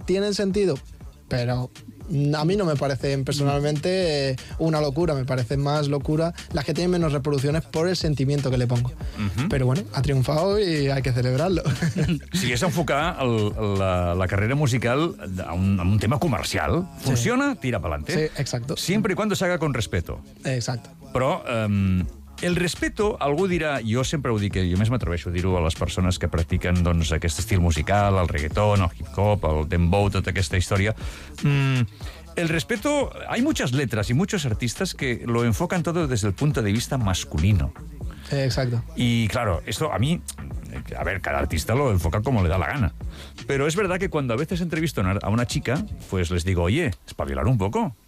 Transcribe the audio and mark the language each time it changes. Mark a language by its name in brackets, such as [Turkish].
[Spanish] tienen sentido, pero a mí no me parecen personalmente una locura, me parecen más locura las que tienen menos reproducciones por el sentimiento que le pongo. Uh-huh. Pero bueno, ha triunfado y hay que celebrarlo. Si es enfocar la carrera musical a un tema comercial, sí. funciona, tira para adelante. Sí, exacto. Siempre y cuando se haga con respeto. Exacto. Pero... el respeto, [Catalan] algú dirà, jo sempre ho dic, jo més m'atreveixo a dir-ho a les persones que practiquen doncs, aquest estil musical, el reggaeton, el hip-hop, el dembow, tota aquesta història. [Spanish] El respeto, hay muchas letras y muchos artistas que lo enfocan todo desde el punto de vista masculino. Exacto. Y claro, esto a mí, a ver, cada artista lo enfoca como le da la gana. Pero es verdad que cuando a veces entrevisto a una chica, pues les digo, oye, espabilar un poco.